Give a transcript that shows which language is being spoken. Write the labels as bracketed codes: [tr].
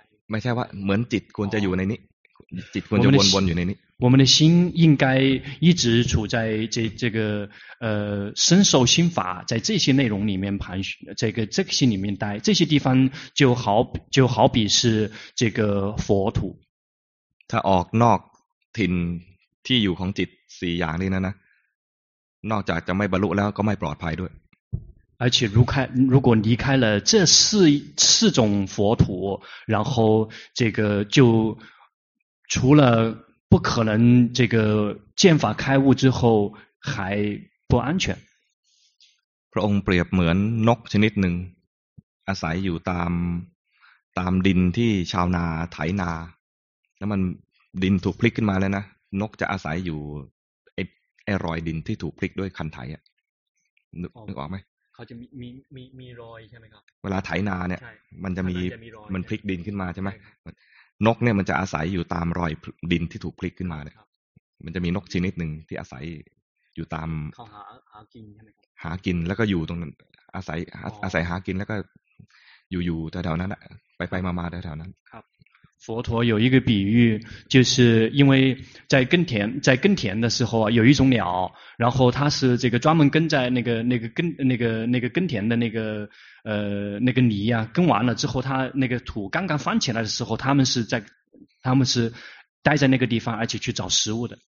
[th] ไม่ใช่ว่าเหมือนจิตควรจะอยู่ในนี้จิตควรจะวนอยู่ในนี้ [zh] 我们的心应该一直处在这个身受心法在这些内容里面盘旋这个心里面待这些地方就好比是这个佛土 [th] ถ้าออกนอกถิ่นที่อยู่ของจิตสี่อย่างนี้นะนอกจากจะไม่บรรลุแล้วก็ไม่ปลอดภัยด้วย [zh] 而且如果离开了这四种佛土然后这个就除了不可能这个见法开悟之后还不安全 [th] พระองค์เปรียบเหมือนนกชนิดหนึ่งอาศัยอยู่ตามดินที่ชาวนาไถนาแล้วมันดินถูกพลิกขึ้นมาแล้วนะนกจะอาศัยอยู่รอยดินที่ถูกพลิกด้วยคันไถอ่ะนึกออกไหม เขาจะมีรอยใช่ไหมครับ เวลาไถนาเนี่ยมันพลิกดินขึ้นมาใช่ไหมนกเนี่ยมันจะอาศัยอยู่ตามรอยดินที่ถูกพลิกขึ้นมาเนี่ยมันจะมีนกชนิดหนึ่งที่อาศัยอยู่ตาม เขาหากินใช่ไหมครับ หากินแล้วก็อยู่ตรงนั้นอาศัยหากินแล้วก็อยู่ๆแถวๆนั้นแหละไปๆมาๆแถวๆนั้น ครับ [zh] 佛陀有一个比喻，就是因为在耕田的时候啊，有一种鸟，然后它是这个专门跟在那个耕田的那个泥啊，耕完了之后，它那个土刚刚翻起来的时候，它们是待在那个地方，而且去找食物的。